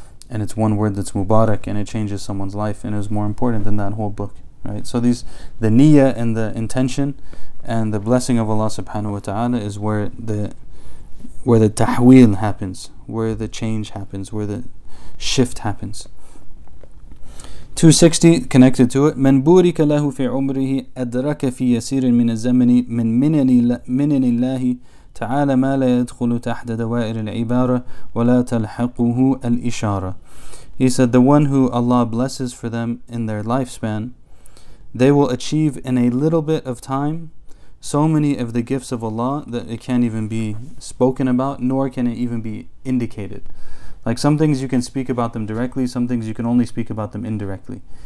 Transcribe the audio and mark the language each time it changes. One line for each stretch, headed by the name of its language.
English: And it's one word that's mubarak, and it changes someone's life, and is more important than that whole book. Right? So these, the niyyah and the intention, and the blessing of Allah subhanahu wa ta'ala is where the tahweel happens, where the change happens, where the shift happens. 260 connected to it.
Arabic: من بورك له في عمره أدرك في يسير من الزمن من منن الله تعالى ما لا يدخل تحت دوائر العبارة ولا تلحقه الإشارة.
English: He said, the one who Allah blesses for them in their lifespan, they will achieve in a little bit of time so many of the gifts of Allah that it can't even be spoken about, nor can it even be indicated. Like, some things you can speak about them directly, some things you can only speak about them indirectly.